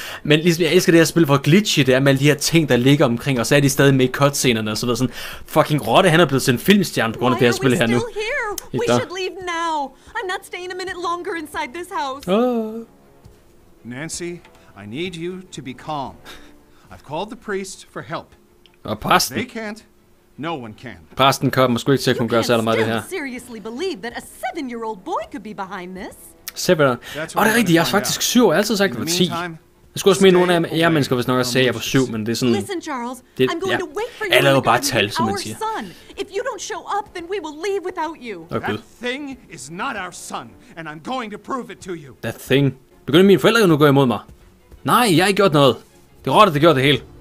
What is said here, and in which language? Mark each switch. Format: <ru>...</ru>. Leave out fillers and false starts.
<da>Men ligesom, jeg elsker det her spil, hvor glitchy det er med alle de her ting, der ligger omkring, og så er de stadig med i cutscenerne og så videre. Sådan, fucking Rotte, han er blevet til en filmstjerne på grund af det her spil her nu.</da> <en>Why are we still here? We should leave now. I'm not staying a minute longer inside this house. Nancy, I need you to be calm. I've called the priest for help.</en> <da>Og præsten.</da> <en>They can't. No one can.</en> <da>Præsten kom og sgu ikke til at kunne gøre særlig meget det her.</da> <en>Seriously believe that a 7-year-old boy could be behind this? Seven.</en> <da>Og det er rigtigt, jeg er faktisk 7 år. Jeg har altid sagt, at jeg var 10. Jeg skulle også mene, nogle af jer mennesker, hvis nok også sagde, at jeg var 7, men det er sådan...</da> <en>Listen, Charles, det, I'm going to wait for you.</en> <da>Alle er jo bare tal, som man siger.</da> <en>If you don't show up, then we will leave without you. Okay. That thing is not our son, and I'm going to prove it to you. That thing.</en> <da>Begynder mine forældre nu at gå imod mig? Nej, jeg har ikke gjort noget. Det er rådigt, det gjorde det hele.</da>